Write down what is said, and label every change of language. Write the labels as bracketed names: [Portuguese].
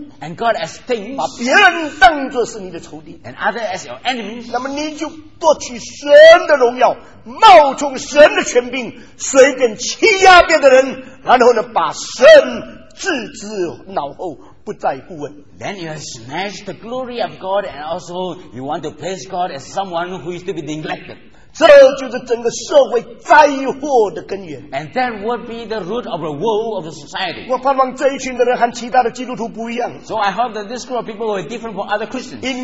[English] And God as things, [Chinese] 把别人当作是你的仇敌， [English] And others as your enemies, [Chinese] 那么你就夺取神的荣耀， 冒充神的权柄， 随便欺压别的人， 然后呢，把神置之脑后，不再顾问。 [English] Then you have snatched the glory of God, and also you want to place God as someone who is to be neglected. [Chinese] 这就是整个社会灾祸的根源。 [English] And that would be the root of the woe of the society. [Chinese] 我盼望这一群的人和其他的基督徒不一样。 [English] So I hope that this group of people were different from other Christians.